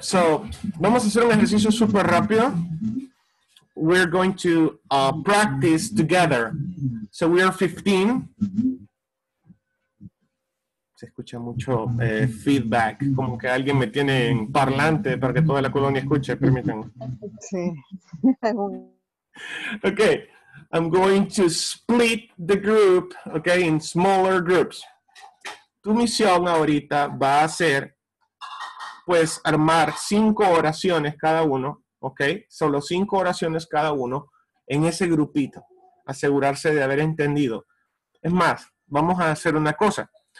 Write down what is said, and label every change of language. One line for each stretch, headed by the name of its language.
Spanish: So, vamos a hacer un ejercicio súper rápido.
English: We're going to practice together. So, we are 15.
Spanish: Se escucha mucho feedback. Como que alguien me tiene en parlante para que toda la colonia escuche. Permítanme. Sí.
English: Okay. I'm going to split the group, okay, in smaller groups.
Spanish: Tu misión ahorita va a ser, pues, armar 5 oraciones cada uno, ¿ok? Solo 5 oraciones cada uno en ese grupito. Asegurarse de haber entendido. Es más, vamos a hacer una cosa.